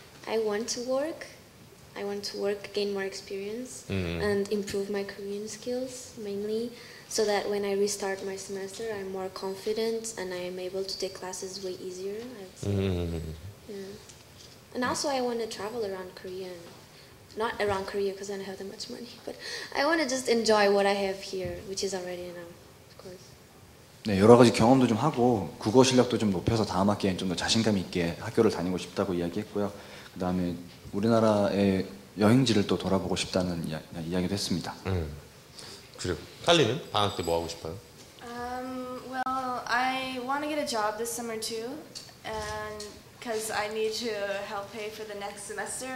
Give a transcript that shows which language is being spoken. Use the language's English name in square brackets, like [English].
[English] I want to work, gain more experience, and improve my Korean skills mainly, so that when I restart my semester, I'm more confident and I am able to take classes way easier. I'd say. And also, I want to travel around Korea, not around Korea because I don't have that much money, but I want to just enjoy what I have here, which is already enough, of course. [Korean] 네, 여러 가지 경험도 좀 하고 국어 실력도 좀 높여서 다음 학기엔 좀 더 자신감 있게 학교를 다니고 싶다고 이야기했고요. 그 다음에 우리나라의 여행지를 또 돌아보고 싶다는 이야기도 했습니다. 그리고 칼리는 방학 때 뭐 하고 싶어요? [English] Well, I want to get a job this summer too, and because I need to help pay for the next semester.